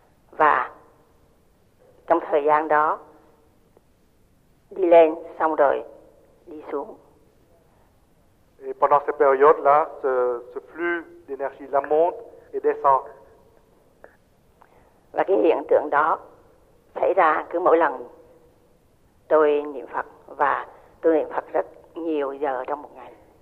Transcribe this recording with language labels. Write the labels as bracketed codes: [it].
[vi] Và trong thời gian đó, đi lên xong rồi đi xuống. [fr] Et pendant cette période-là, ce flux d'énergie la monte et descend. [vi] Và cái hiện tượng đó xảy ra cứ mỗi lần tôi niệm Phật, và tôi niệm Phật rất nhiều giờ trong một ngày.